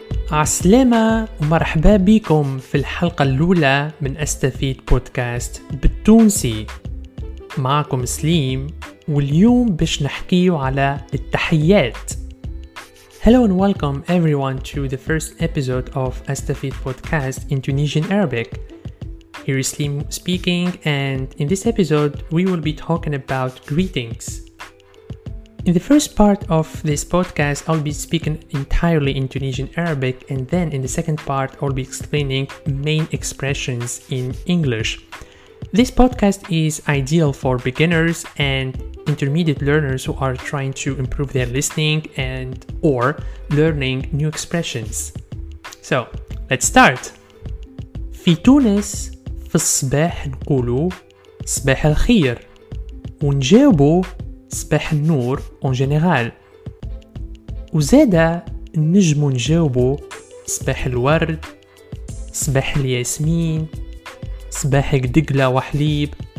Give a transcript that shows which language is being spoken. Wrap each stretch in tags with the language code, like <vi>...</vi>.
<ar>عسلامة ومرحبا بكم في الحلقة الأولى من أستفيد بودكاست بالتونسي. معكم سليم، واليوم باش نحكيو على التحيات.</ar> <en>Hello and welcome everyone to the first episode of Astafid podcast in Tunisian Arabic. Here is Slim speaking, and in this episode we will be talking about greetings. In the first part of this podcast I'll be speaking entirely in Tunisian Arabic, and then in the second part I'll be explaining main expressions in English. This podcast is ideal for beginners and intermediate learners who are trying to improve their listening and or learning new expressions. So, let's start.</en> <ar>في تونس في الصباح نقولوا صباح الخير ونجاوبوا صباح النور</ar> <fr>en général.</fr> <ar>وزادة نجمو نجاوبوا صباح الورد صباح الياسمين صباحك دقلة وحليب.</ar>